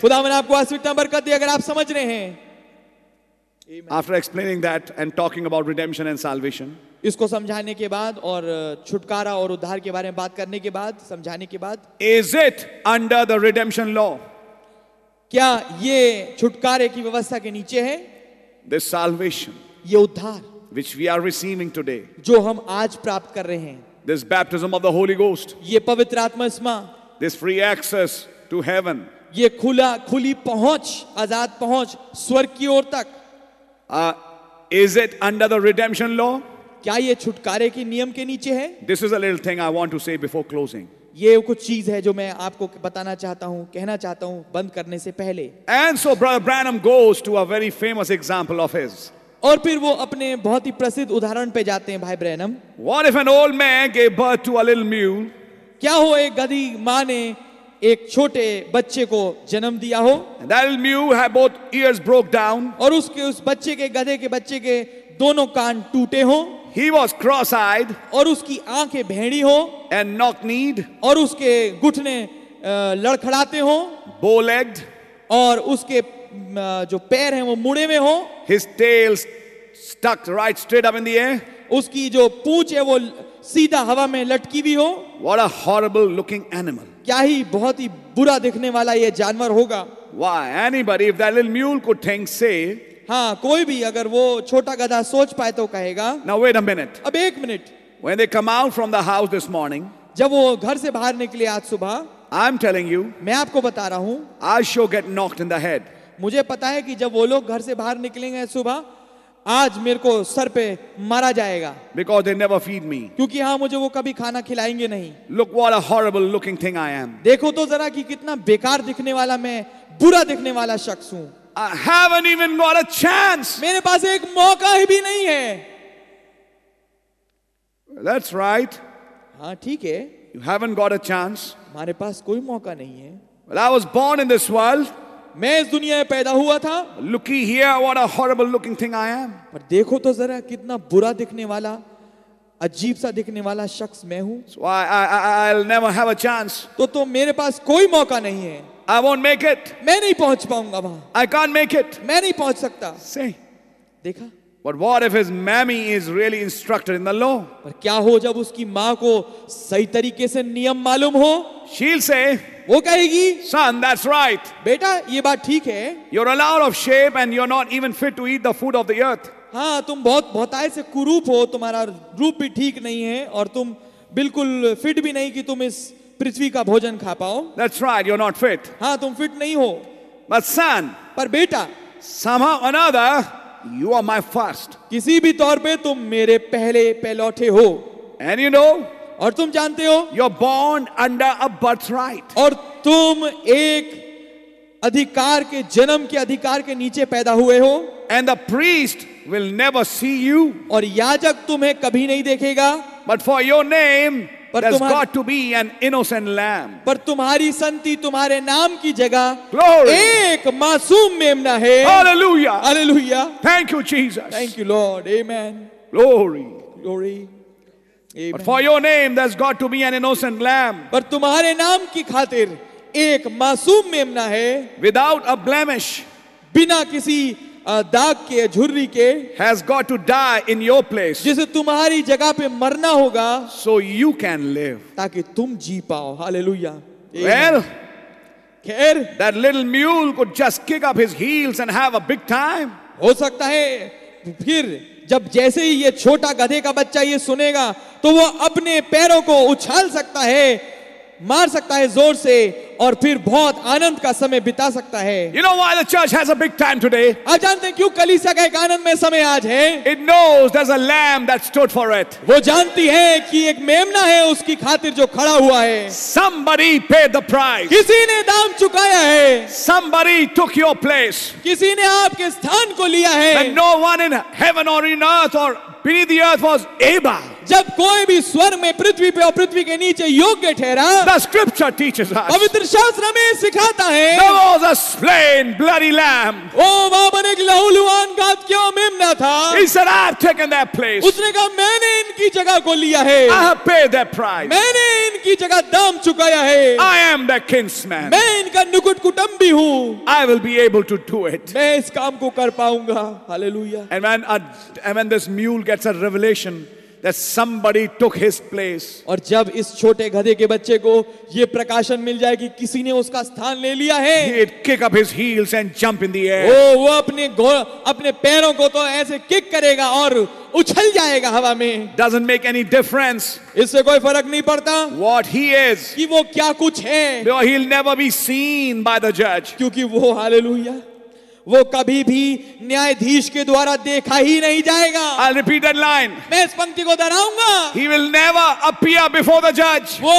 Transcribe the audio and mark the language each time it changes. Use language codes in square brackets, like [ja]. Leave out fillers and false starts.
[hi] खुदा मैंने आपको आशीष इतना बरकत दी अगर आप समझ रहे हैं. [en] After explaining that and talking about redemption and salvation. [hi] इसको समझाने के बाद और छुटकारा और उद्धार के बारे में बात करने के बाद, समझाने के बाद, [en] Is it under the redemption law? [hi] क्या ये छुटकारे की व्यवस्था के नीचे है? [en] this salvation, [hi] ये उद्धार, [en] which we are receiving today, [hi] जो हम आज प्राप्त कर रहे हैं, [en] this baptism of the Holy Ghost, [hi] ये पवित्र आत्मा, [en] this free access to heaven, [hi] ये खुली पहुंच, आजाद पहुंच स्वर्ग की ओर तक, [en] Is it under the redemption law? [hi] क्या ये छुटकारे के नियम के नीचे है? [en] This is a little thing I want to say before closing. [hi] ये कुछ चीज है जो मैं आपको बताना चाहता हूँ, कहना चाहता हूँ बंद करने से पहले. [en] And so Brother Branham goes to a very famous example of his. [hi] और फिर वो अपने बहुत ही प्रसिद्ध उदाहरण पे जाते हैं भाई Branham. [en] What if an old man gave birth to a little mule? [hi] क्या हो एक गधी माँ ने एक छोटे बच्चे को जन्म दिया हो? [en] That little mule had both ears broke down. [hi] और उसके उस बच्चे के, गधे के बच्चे के दोनों कान टूटे हो. [en] He was cross-eyed. [hi] और उसकी आंखें भेड़ी हो. [en] And knock-kneed. [hi] और उसके घुटने लड़खड़ाते हो. [en] Bow-legged. [hi] और उसके जो पैर हैं वो मुड़े हुए हो. [en] His tail stuck right straight up in the air. [hi] उसकी जो पूंछ है वो सीधा हवा में लटकी हुई हो. [en] What a horrible looking animal. [hi] क्या ही बहुत ही बुरा दिखने वाला ये जानवर होगा. [en] Why anybody if that little mule could think say. [hi] हाँ, कोई भी अगर वो छोटा गधा सोच पाए तो कहेगा. [en] Now wait a minute. [hi] अब एक minute. [en] When they come out from the house this morning. [hi] जब वो घर से बाहर निकले आज सुबह. [en] I'm telling you. [hi] मैं आपको बता रहा हूँ. [en] I'll sure get knocked in the head. [hi] मुझे पता है कि जब वो लोग घर से बाहर निकलेंगे सुबह, आज मेरे को सर पे मारा जाएगा. [en] Because they never feed me. [hi] क्योंकि हाँ, मुझे वो कभी खाना खिलाएंगे नहीं. [en] Look what a horrible looking thing I am. [hi] देखो तो जरा कि कितना बेकार दिखने वाला मैं, बुरा दिखने वाला शख्स हूँ. [en] I haven't even got a chance. [hi] मेरे पास एक मौका ही भी नहीं है. [en] That's right. [hi] हाँ ठीक है. [en] You haven't got a chance. [hi] हमारे पास कोई मौका नहीं है. [en] Well, I was born in this world. [hi] मैं इस दुनिया में पैदा हुआ था. [en] Looky here, what a horrible looking thing I am. [hi] पर देखो तो जरा कितना बुरा दिखने वाला, अजीब सा दिखने वाला शख्स मैं हूँ. [en] So I'll never have a chance. [hi] तो मेरे पास कोई मौका नहीं है. [en] I won't make it. [hi] मैं नहीं पहुंच पाऊंगा वहां. [en] I can't make it. [hi] मैं नहीं पहुंच सकता. [en] See. [hi] देखा. [en] But what if his mammy is really instructed in the law? [hi] पर क्या हो जब उसकी माँ को सही तरीके से नियम मालूम हो? [en] She'll say, [hi] वो कहेगी, [en] Son, that's right. [hi] बेटा, ये बात ठीक है. [en] You're a lot of shape and you're not even fit to eat the food of the earth. [hi] हाँ, तुम बहुत बहुताय से कुरूप हो, तुम्हारा रूप भी ठीक नहीं है और तुम बिल्कुल फिट भी नहीं कि तुम इस पृथ्वी का भोजन खा पाओ. [en] That's right, you're not fit. [hi] हाँ, तुम फिट नहीं हो. [en] But son, [hi] पर बेटा, [en] somehow or another, You are my first. [hi] किसी भी तौर पे तुम मेरे पहले पहलौठे हो. [en] And you know, [hi] और तुम जानते हो, [en] you're born under a birthright. [hi] और तुम एक अधिकार के जन्म के अधिकार के नीचे पैदा हुए हो. [en] And the priest will never see you. [hi] और याजक तुम्हें कभी नहीं देखेगा. [en] But for your name, there's got to be an innocent lamb. [hi] पर तुम्हारी संति तुम्हारे नाम की जगह [en] Glory. [hi] एक मासूम मेमना है. [en] Hallelujah. Hallelujah. Thank you, Jesus. Thank you, Lord. Amen. Glory. Glory. Amen. But for your name, there's got to be an innocent lamb. [hi] पर तुम्हारे नाम की खातिर एक मासूम मेमना है. [en] Without a blemish. [hi] बिना किसी दाग के झुर्री के. [en] Has got to die in your place. [hi] जिसे तुम्हारी जगह पे मरना होगा. [en] So you can live. [hi] ताकि तुम जी पाओ. Hallelujah. [en] Well, [hi] खैर, [en] that little mule could just kick up his heels and have a big time. [hi] हो सकता है फिर जब जैसे ही ये छोटा गधे का बच्चा ये सुनेगा तो वो अपने पैरों को उछाल सकता है, मार सकता है जोर से और फिर बहुत आनंद का समय बिता सकता है. [en] You know why the church has a big time today? [hi] आप जानते हैं क्यों कलीसिया का एक आनंद में समय आज है? [en] It knows there's a lamb that stood for it. [hi] वो जानती है कि एक मेमना है उसकी खातिर जो खड़ा हुआ है. [en] Somebody paid the price. [hi] किसी ने दाम चुकाया है. [en] Somebody took your place. [hi] किसी ने आपके स्थान को लिया है. [en] And no one in heaven or in earth or beneath the earth was able. [hi] जब कोई भी स्वर्ग में पृथ्वी पे और पृथ्वी के नीचे योग्य ठहरा. [en] The scripture teaches us. [hi] पवित्र शास्त्र हमें सिखाता है. [en] There was a slain bloody lamb. [hi] ओ बाबर एक लहूलुहान घात क्यों मेमना था. [en] He said, I've taken that place. [hi] उसने कहा मैंने इनकी जगह को लिया है. [en] I have paid that price. [hi] मैंने इनकी जगह दाम चुकाया है. [en] I am the kinsman. [hi] मैं इनका निकट कुटुंबी हूँ. [en] I will be able to do it. [hi] मैं इस काम को कर पाऊंगा. Hallelujah. [en] And when this mule gets a revelation that somebody took his place. [hi] और जब इस छोटे गधे के बच्चे को ये प्रकाशन मिल जाएगी कि किसी ने उसका स्थान ले लिया है. [en] He'd kick up his heels and jump in the air. [hi] वो अपने पैरों को तो ऐसे किक करेगा और उछल जाएगा हवा में. [en] Doesn't make any difference. [hi] इससे कोई फर्क नहीं पड़ता. [en] What he is. [hi] कि वो क्या कुछ है. [en] Because he'll never be seen by the judge. [hi] क्योंकि वो हालेलुया वो कभी भी न्यायाधीश के द्वारा देखा ही नहीं जाएगा. [en] I'll repeat that line. [hi] मैं इस पंक्ति को दोहराऊंगा. [en] He will never appear before the judge.